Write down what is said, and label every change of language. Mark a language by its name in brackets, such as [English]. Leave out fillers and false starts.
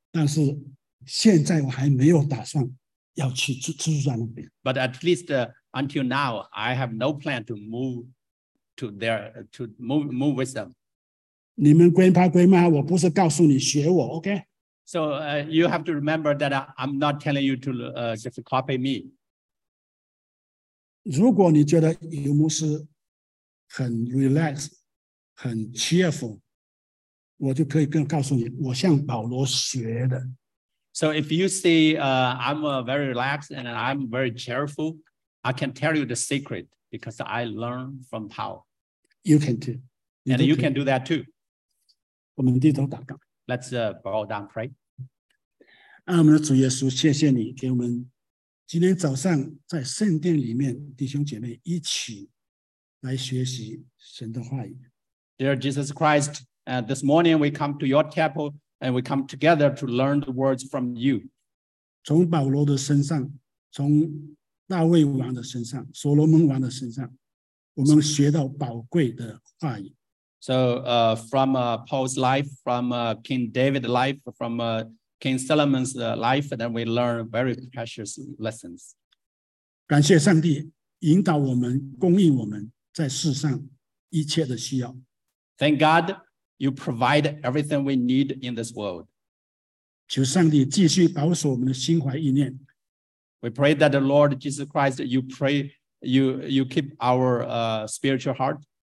[Chinese] 但是现在我还没有打算要去住在那边 [English] But at least,Until now, I have no plan to move to there to move with them. [Chinese] 你们龟爸龟妈，我不是告诉你学我 ，OK? [English] So you have to remember that I'm not telling you to just copy me. [Chinese] 如果你觉得尤牧师很 relaxed, 很 cheerful, 我就可以跟告诉你，我向保罗学的。 [English] So if you say I'm very relaxed and I'm very cheerful, I can tell you the secret because I learn from Tao. You can too. And you can do that too. [Chinese] 我们低头祷告。 [English] Let's bow down, pray. [Chinese] 啊，我们的主耶稣，谢谢你给我们今天早上在圣殿里面弟兄姐妹一起来学习神的话语。 [English] Dear Jesus Christ, this morning we come to your chapel and we come together to learn the words from you. [Chinese] 从保罗的身上，从大卫王的身上，所罗门王的身上，我们学到宝贵的话语。 [English] So from Paul's life, from King David's life, from King Solomon's life, then we learn very precious lessons. [Chinese] 感谢上帝引导我们，供应我们在世上一切的需要。 [English] Thank God you provide everything we need in this world. [Chinese] 求上帝继续保守我们的心怀意念。 [English] We pray that the Lord Jesus Christ, you keep our spiritual heart.